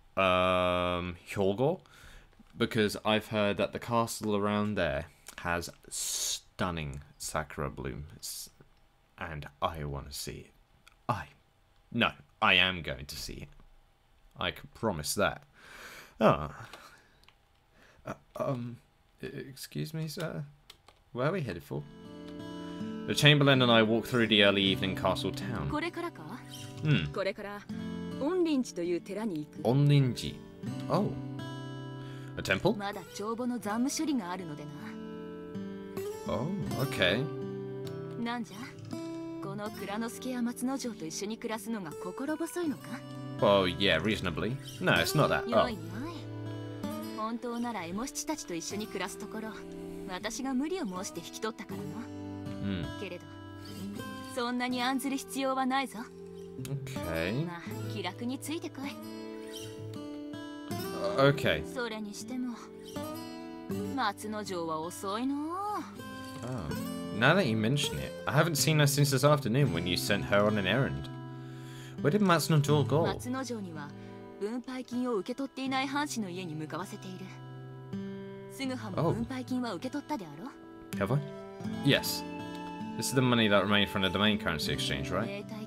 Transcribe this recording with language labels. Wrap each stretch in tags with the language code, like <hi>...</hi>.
<en>Hyogo, because I've heard that the castle around there has stunning sakura blooms, and I want to see it. I am going to see it. I can promise that. Excuse me, sir? Where are we headed for? The Chamberlain and I walk through the early evening castle town.</en> <ja>これからか? Hmm. これから。恩林寺という寺に行く。</ja> <en>恩林寺。Oh. A temple?</en> <ja>まだ帳簿の残務処理があるのでな。</ja> <en>Oh, okay.</en> <ja>なんじゃ、この蔵之助や松之丞と一緒に暮らすのが心細いのか?</ja> <en>Oh, yeah, reasonably. No, it's not that.</en> <ja>よいよい。本当ならエモシチたちと一緒に暮らすところ、私が無理を申して引き取ったからな。うん。けれど、そんなに案ずる必要はないぞ。</ja> <en>Okay.</en> <ja>まあ、気楽についてこい。</ja> <en>Okay.</en> <ja>それにしても、松之丞は遅いの。</ja> <en>Oh. Now that you mention it, I haven't seen her since this afternoon when you sent her on an errand. Where did 松之丞go?</en> <ja>松之丞には分配金を受け取っていない藩士の家に向かわせている。すぐはも分配金は受け取ったであろう。</ja> <en>Have I? Yes. This is the money that remained from the domain currency exchange, right?</en>